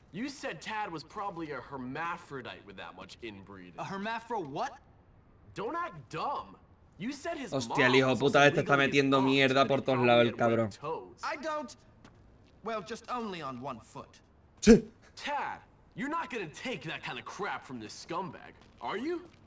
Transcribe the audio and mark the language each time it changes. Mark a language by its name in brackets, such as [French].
[English] You said Tad was probably a hermaphrodite with that much inbreed. A hermaphro what? Don't act dumb. You said his [Spanish] hostia, el hijo puta este está metiendo mierda por todos lados, el cabrón. [English] I don't... Well, just only on one foot. Tad, you're not gonna take that kind of crap from this scumbag, are you?